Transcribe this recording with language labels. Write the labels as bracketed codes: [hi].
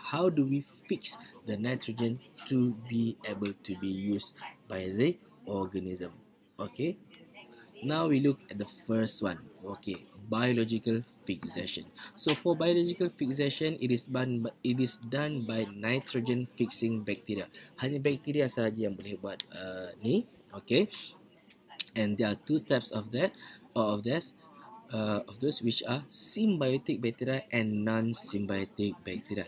[en] How do we fix the nitrogen to be able to be used by the organism? Okay, now we look at the first one. Okay, biological fixation. So for biological fixation, it is done by nitrogen fixing bacteria. [ms] Hanya bacteria sahaja yang boleh buat ni. [en] Okay, and there are two types of that, of those which are symbiotic bacteria and non-symbiotic bacteria.